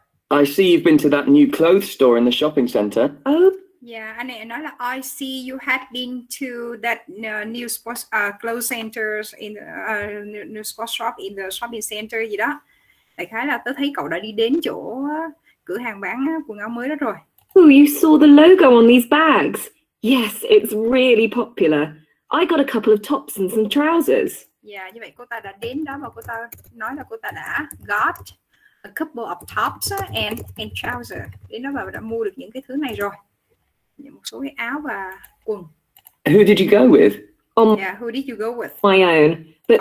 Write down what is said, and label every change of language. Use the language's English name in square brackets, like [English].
[English] I see you've been to that new clothes store in the shopping center. Oh. Yeah, and another. I see you had been to that new sports clothes centers in new sports shop in the shopping center. [Vietnamese] Gì đó. Đại khái là tớ thấy cậu đã đi đến chỗ cửa hàng bán quần áo mới đó rồi. [English] Oh, you saw the logo on these bags. Yes, it's really popular. I got a couple of tops and some trousers. [Vietnamese] Yeah, như vậy cô ta đã đến đó và cô ta nói là cô ta đã [English] got a couple of tops and trousers. [Vietnamese] Đến đó và đã mua được những cái thứ này rồi. Một số cái áo và quần. [English] Who did you go with? Yeah, who did you go with? My own. But